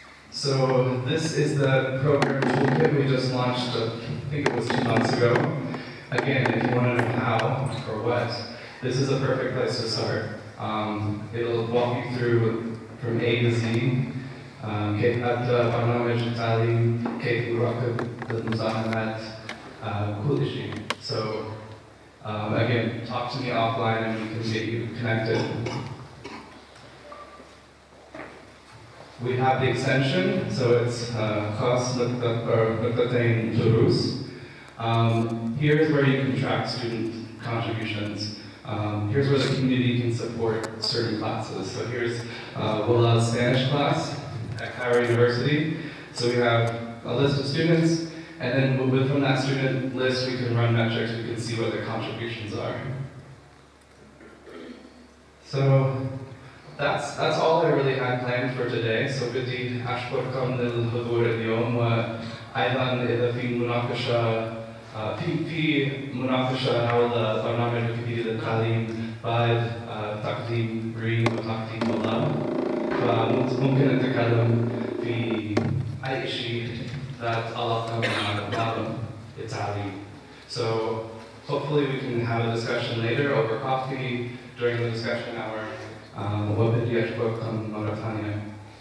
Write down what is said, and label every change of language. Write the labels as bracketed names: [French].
[English] So this is the program toolkit we just launched, I think it was 2 months ago. Again, if you want to know how or what, this is a perfect place to start. It'll walk you through from A to Z. [Arabic] كيف أبدا برنامج التعليم, كيف أراقب المزاحمات, كل شيء. [English] So, again, talk to me offline and we can get you connected. We have the extension, so it's [Arabic] خاص نقطتين دروس. [English] Here's where you can track student contributions. Here's where the community can support certain classes. So here's Wola's Spanish class at Cairo University. So we have a list of students, and then from that student list, we can run metrics, we can see what their contributions are. So that's all I really had planned for today. [Arabic] So بدي أشكركم للحضور اليوم, وأيضا إذا في مناقشة في مناقشة حول برنامج ويكيبيديا للتعليم بعد تقديم ريم وتقديم ملاب فممكن نتكلم في أي شيء ذات علاقة مع العالم التعليم. [English] So hopefully we can have a discussion later over coffee during the discussion hour. [Arabic] وبدي أشكركم مرة ثانية.